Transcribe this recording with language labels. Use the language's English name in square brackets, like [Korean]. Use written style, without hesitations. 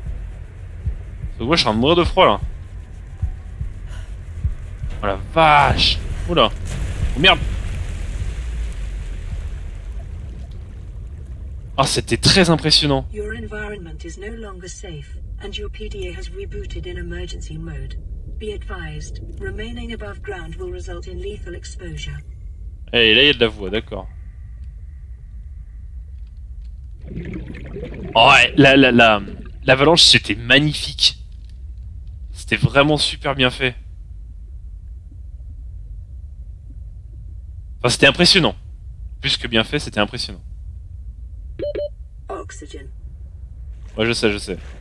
[French] Oh! Donc moi je suis en train de mourir de froid là. Oh la vache! Oula! Oh merde! Ah, oh, c'était très impressionnant! [English] Your environment is no longer safe, and your PDA has rebooted in emergency mode. Be advised, remaining above ground will result in lethal exposure. [French] Eh, hey, là, il y a de la voix, d'accord. Oh, ouais, l'avalanche, c'était magnifique! C'était vraiment super bien fait! Enfin, c'était impressionnant. Plus que bien fait, c'était impressionnant. Oxygen. Ouais, je sais.